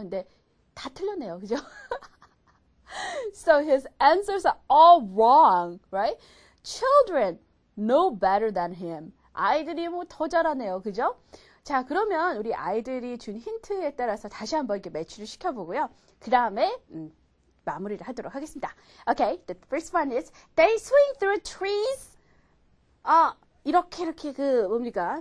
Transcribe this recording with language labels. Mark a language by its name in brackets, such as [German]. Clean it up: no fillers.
[Korean] 근데 다 틀렸네요, 그죠? [English] So his answers are all wrong, right? Children know better than him. [Korean] 아이들이 뭐 더 잘하네요, 그죠? 자, 그러면 우리 아이들이 준 힌트에 따라서 다시 한번 이렇게 매치를 시켜보고요. 그 다음에 마무리를 하도록 하겠습니다. [English] Okay, the first one is they swing through trees. [Korean] 아, 이렇게 이렇게 그 뭡니까?